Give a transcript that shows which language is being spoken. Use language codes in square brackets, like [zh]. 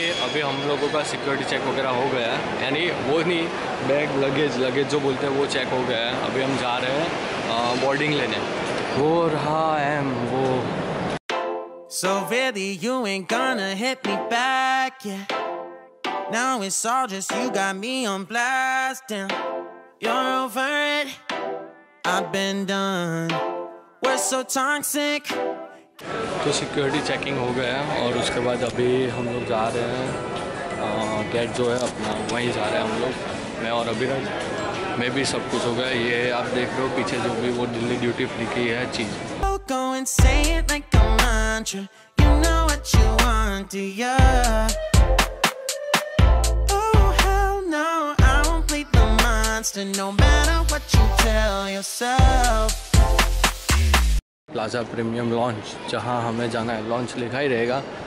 [hi] अभी हम लोगों का सिक्योरिटी चेक वगैरह हो गया है, यानी वो नहीं, बैग लगेज जो बोलते हैं वो चेक हो गया है। अभी हम जा रहे हैं बोर्डिंग लेने। वो रहा एम वो। [en] So really you ain't gonna hit me back, yeah. Now it's all just you got me on blast, damn. You're over it, I've been done. We're so toxic. [hi] तो सिक्योरिटी चेकिंग हो गया है और उसके बाद अभी हम लोग जा रहे हैं गेट जो है अपना, वहीं जा रहे हैं हम लोग, मैं और अभिराज। मैं भी सब कुछ हो गया। ये आप देख रहे हो पीछे जो भी वो दिल्ली ड्यूटी फ्री की है चीज़। [en] Go and say it like a mantra. You know what you want, do ya? Oh hell no, I won't play the monster. No matter what you tell yourself. [hi] Plaza Premium Lounge, जहाँ हमें जाना है, launch लिखा ही रहेगा।